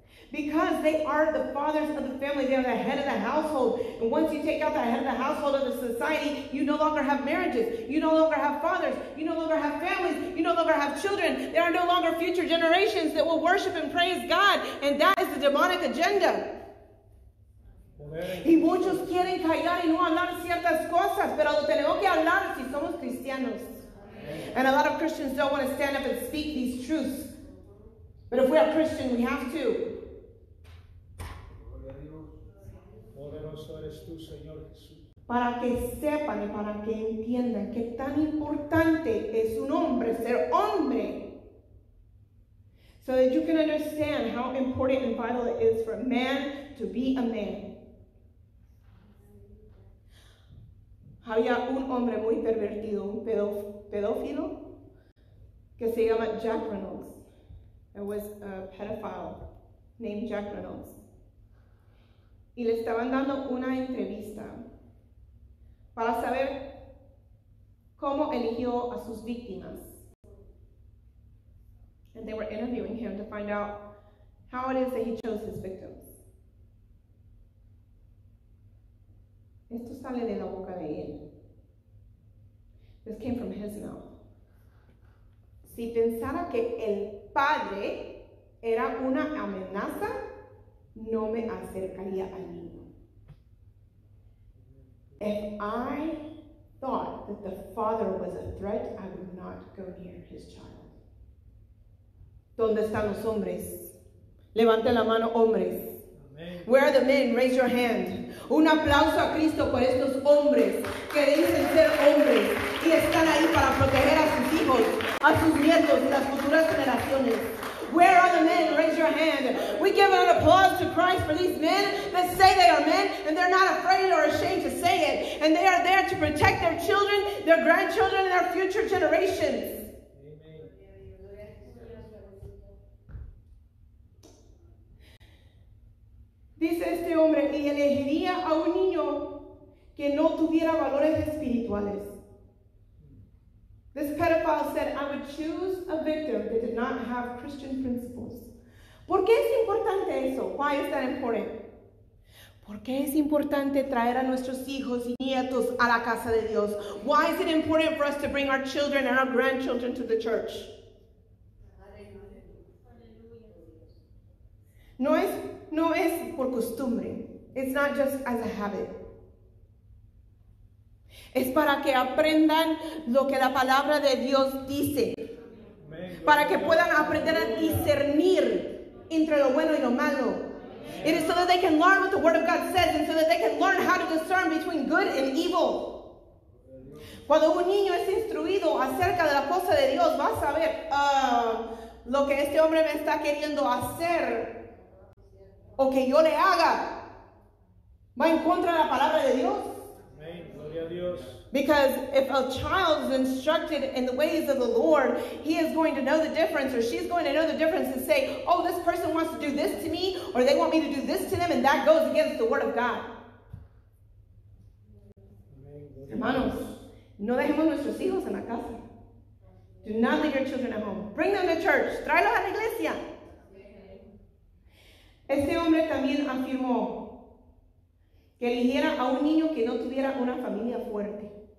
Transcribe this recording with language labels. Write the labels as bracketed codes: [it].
[en] Because they are the fathers of the family. They are the head of the household. And once you take out the head of the household of the society, you no longer have marriages. You no longer have fathers. You no longer have families. You no longer have children. There are no longer future generations that will worship and praise God. And that is the demonic agenda. [es] Y muchos quieren callar y no hablar ciertas cosas, pero lo tenemos que hablar si somos cristianos. [en] And a lot of Christians don't want to stand up and speak these truths. But if we are Christian, we have to. [es] Poderoso eres tú, Señor Jesús. para que sepan y para que entiendan qué tan importante es un hombre ser hombre. [en] So that you can understand how important and vital it is for a man to be a man. [es] Había un hombre muy pervertido, un pedófilo, que se llama Jack Reynolds. [en] It was a pedophile named Jack Reynolds. [es] Y le estaban dando una entrevista para saber cómo eligió a sus víctimas. [en] And they were interviewing him to find out how it is that he chose his victims. [es] Esto sale de la boca de él. [en] This came from his mouth. [es] Si pensara que el padre era una amenaza, no me acercaría al niño. [en] If I thought that the father was a threat, I would not go near his child. [es] ¿Dónde están los hombres? Levanten la mano, hombres. Amen. [en] Where are the men? Raise your hand. [es] Un aplauso a Cristo por estos hombres que dicen ser hombres y están ahí para proteger a sus hijos, a sus nietos y las futuras generaciones. [en] Where are the men? Raise your hand. We give an applause to Christ for these men that say they are men and they're not afraid or ashamed to say it. And they are there to protect their children, their grandchildren, and their future generations. [es] Dice este hombre que elegiría a un niño que no tuviera valores espirituales. [en] This pedophile said, I would choose a victim that did not have Christian principles. [es] ¿Por qué es importante eso? [en] Why is that important? [es] ¿Por qué es importante traer a nuestros hijos y nietos a la casa de Dios? [en] Why is it important for us to bring our children and our grandchildren to the church? [es] No es por costumbre. [en] It's not just as a habit. [es] Es para que aprendan lo que la palabra de Dios dice. Para que puedan aprender a discernir entre lo bueno y lo malo. [en] It is so that they can learn what the word of God says and so that they can learn how to discern between good and evil. [es] Cuando un niño es instruido acerca de la cosa de Dios, va a saber lo que este hombre me está queriendo hacer. O que yo le haga, va en contra de la palabra de Dios. Amen. Gloria a Dios. [en] Because if a child is instructed in the ways of the Lord, he is going to know the difference, or she's going to know the difference and say, oh, this person wants to do this to me, or they want me to do this to them, and that goes against the word of God. Amen. [es] Hermanos, no dejemos nuestros hijos en la casa. [en] Do not leave your children at home. Bring them to church. [es] Tráelos a la iglesia. Este hombre también afirmó que eligiera a un niño que no tuviera una familia fuerte.